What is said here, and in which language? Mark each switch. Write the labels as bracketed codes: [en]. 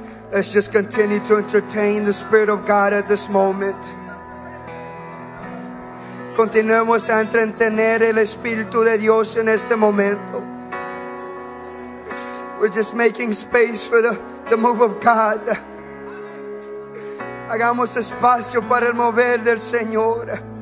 [en] Let's just continue to entertain the Spirit of God at this moment. [es] Continuemos a entretener el Espíritu de Dios en este momento. [en] We're just making space for the move of God. [es] Hagamos espacio para el mover del Señor.